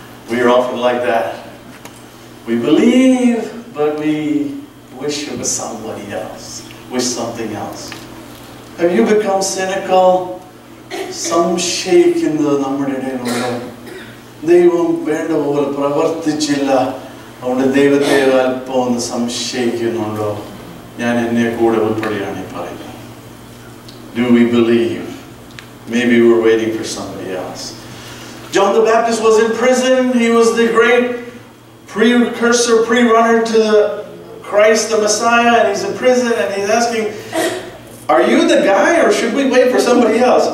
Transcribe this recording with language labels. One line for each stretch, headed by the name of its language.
English: We are often like that. We believe, but we wish it was somebody else. Wish something else. Have you become cynical? Some shake in the number today.
Malayalam: ദൈവം വേണ്ട പോലെ പ്രവർത്തിച്ചില്ല അവിടെ ദൈവത്തെ അല്പം ഒന്ന് സംശയിക്കുന്നുണ്ടോ ഞാൻ എന്നെ കൂടെ ഉൾപ്പെടെയാണ് ഈ പറയുന്നത്.
English: Do we believe? Maybe we're waiting for somebody else. John the Baptist was in prison. He was the great precursor, pre-runner to Christ the Messiah, and he's in prison and he's asking, are you the guy or should we wait for somebody else?